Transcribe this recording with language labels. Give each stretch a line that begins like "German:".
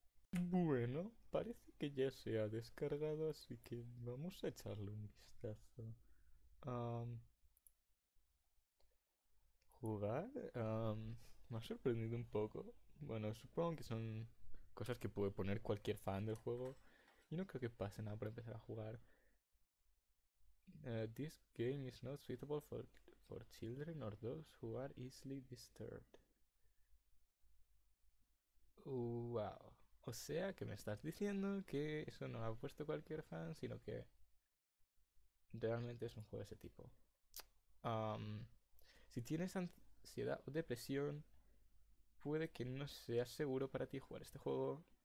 Spanish: Bueno, parece que ya se ha descargado, así que vamos a echarle un vistazo. ¿Jugar? Me ha sorprendido un poco. Bueno, supongo que son cosas que puede poner cualquier fan del juego. Y no creo que pase nada por empezar a jugar.
English: This game is not suitable for children or those who are easily disturbed. Wow.
Spanish: O sea que me estás diciendo que eso no lo ha puesto cualquier fan, sino que realmente es un juego de ese tipo. Si tienes ansiedad o depresión, puede que no sea seguro para ti jugar este juego.